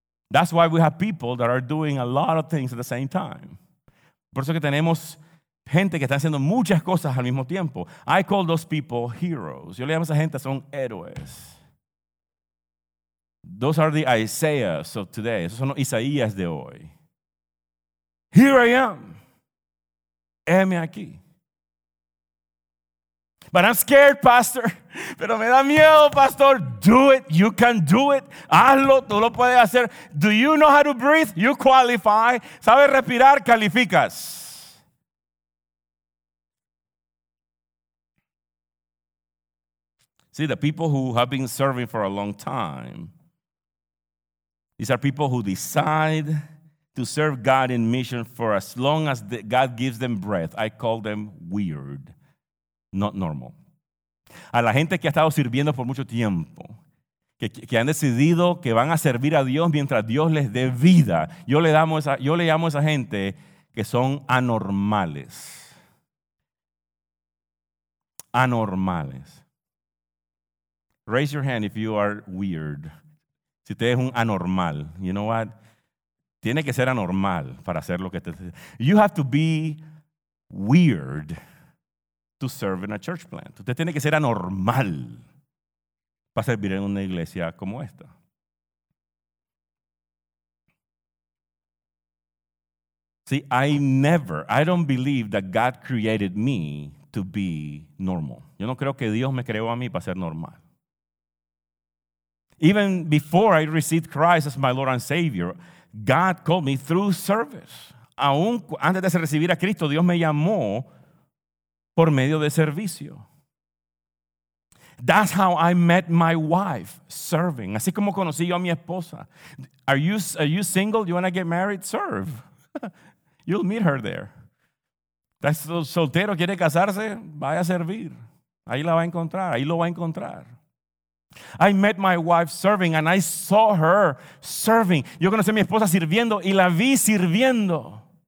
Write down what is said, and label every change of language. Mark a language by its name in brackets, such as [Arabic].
[English] That's why we have people that are doing a lot of things at the same time. [Spanish] Por eso que tenemos gente que está haciendo muchas cosas al mismo tiempo. [English] I call those people heroes. [Spanish] Yo le llamo a esa gente, son héroes. [English] Those are the Isaiahs of today. [Spanish] Esos son los Isaías de hoy. [English] Here I am. [Spanish] Heme aquí. [English] But I'm scared, pastor. [Spanish] Pero me da miedo, pastor. [English] Do it. You can do it. [Spanish] Hazlo. Tú lo puedes hacer. [English] Do you know how to breathe? You qualify. [Spanish] ¿Sabes respirar? Calificas. [English] See, the people who have been serving for a long time, these are people who decide to serve God in mission for as long as God gives them breath. I call them weird, not normal. [Spanish] A la gente que ha estado sirviendo por mucho tiempo, que han decidido que van a servir a Dios mientras Dios les dé vida, yo le llamo a esa gente que son anormales. [English] Anormales. Raise your hand if you are weird. [Spanish] Si usted es un anormal, [English] you know what? [Spanish] Tiene que ser anormal para hacer lo que te. [English] You have to be weird to serve in a church plant. [Spanish] Usted tiene que ser anormal para servir en una iglesia como esta. [English] See, I don't believe that God created me to be normal. [Spanish] Yo no creo que Dios me creó a mí para ser normal. [English] Even before I received Christ as my Lord and Savior, God called me through service. [Spanish] Aún antes de recibir a Cristo, Dios me llamó por medio de servicio. [English] That's how I met my wife, serving. [Spanish] Así como conocí yo a mi esposa. [English] Are you single? You want to get married? Serve. You'll meet her there. [Spanish] ¿Estás soltero? ¿Quiere casarse? Vaya a servir. Ahí la va a encontrar. Ahí lo va a encontrar. [English] I met my wife serving and I saw her serving. [Spanish] Yo conocí a mi esposa sirviendo y la vi sirviendo.